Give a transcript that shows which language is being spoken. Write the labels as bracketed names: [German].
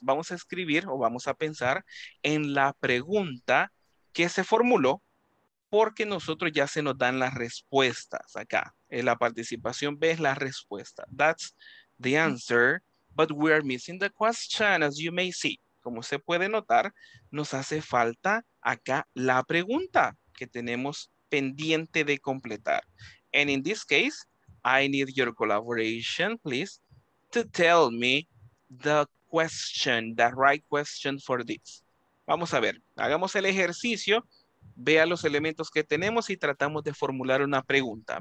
[Spanish] Vamos a escribir o vamos a pensar en la pregunta que se formuló, porque nosotros ya se nos dan las respuestas acá. En la participación ves la respuesta. [English] That's the answer, but we are missing the question, as you may see. [Spanish] Como se puede notar, nos hace falta acá la pregunta que tenemos pendiente de completar. [English] And in this case, I need your collaboration, please, to tell me the question, the right question for this. [Spanish] Vamos a ver, hagamos el ejercicio. Vea los elementos que tenemos y tratamos de formular una pregunta.